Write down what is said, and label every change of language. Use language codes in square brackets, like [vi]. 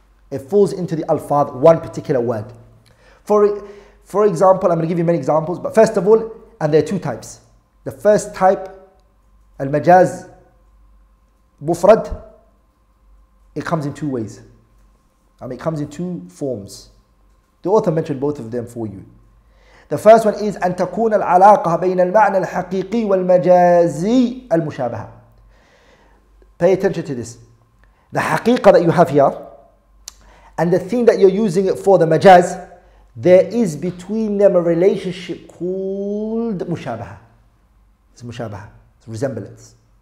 [en] It falls into the alfaz, one particular word. For example, I'm going to give you many examples, but first of all, and there are two types. The first type, al-majaz mufrad, it comes in two ways. It comes in two forms. The author mentioned both of them for you. The first one is, [ar] أن تكون العلاقة بين المعنى الحقيقي والمجازي المشابهة. [en] Pay attention to this. The حقيقة that you have here, and the thing that you're using it for, the majaz, there is between them a relationship called mushabaha. It's mushabaha. It's resemblance.